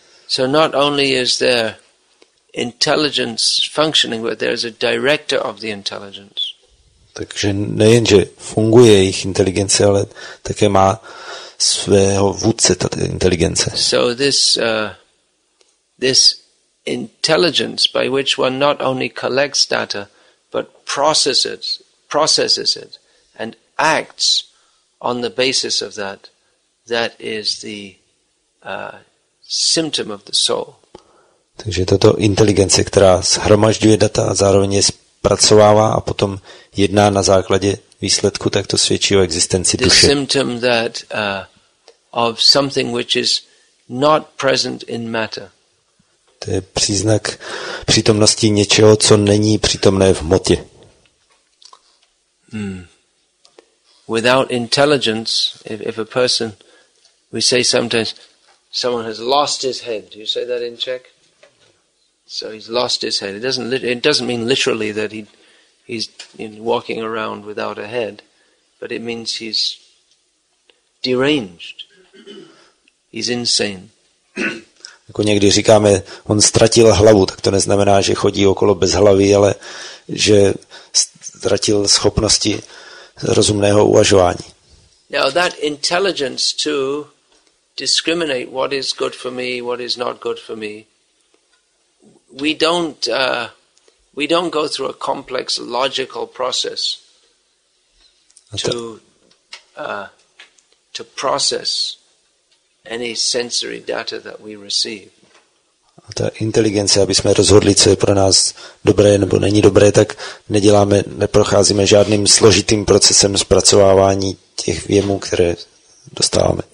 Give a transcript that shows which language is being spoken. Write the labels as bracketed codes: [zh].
[en] So not only is there intelligence functioning, but there is a director of the intelligence. [cs] Takže nejenže funguje jejich inteligence, ale také má svého vůdce ta inteligence. [en] So this intelligence by which one not only collects data, but processes it. And acts on the basis of that is the symptom of the soul. [cs] Takže tato inteligence, která shromažďuje data, zároveň je zpracovává a potom jedná na základě výsledku, tak to svědčí o existenci [en] the [cs] duše. [en] Symptom that of something which is not present in matter. [cs] To je příznak přítomnosti něčeho, co není přítomné v hmotě. [en] Without intelligence, if a person, we say sometimes, someone has lost his head. Do you say that in Czech? So he's lost his head. It doesn't mean literally that he's walking around without a head, but it means he's deranged. He's insane. [cs] Jako někdy říkáme, on ztratil hlavu, tak to neznamená, že chodí okolo bez hlavy, ale že ztratil schopnosti rozumného uvažování. [en] Now that intelligence to discriminate what is good for me, what is not good for me. We don't go through a complex logical process to process any sensory data that we receive. [cs] A ta inteligence, aby jsme rozhodli, co je pro nás dobré nebo není dobré, tak neprocházíme žádným složitým procesem zpracovávání těch věmů, které dostáváme.